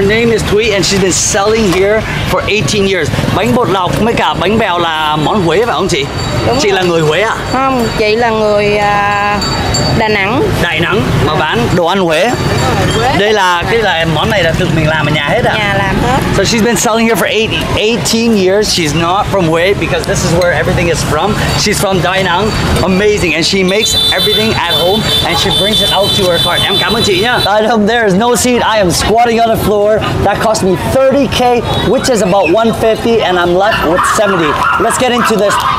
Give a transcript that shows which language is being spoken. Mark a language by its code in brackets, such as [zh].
[en] Her name is Thủy and she's been selling here for 18 years. [vi] Bánh bột lọc với cả bánh bèo là món Huế phải không chị? Đúng chị rồi. Là người Huế à? Không, chị là người Đà Nẵng. Đà Nẵng mà bán đồ ăn Huế. Đây là cái là món này là tự mình làm ở nhà hết à? Nhà làm hết. [en] So she's been selling here for 18 years. She's not from Huế because this is where everything is from. She's from Đà Nẵng. Amazing. And she makes everything at home and she brings it out to her car. [vi] Em cảm ơn chị nha. [en] There is no seat. I am squatting on the floor. That cost me 30k, which is about 150, and I'm left with 70. Let's get into this.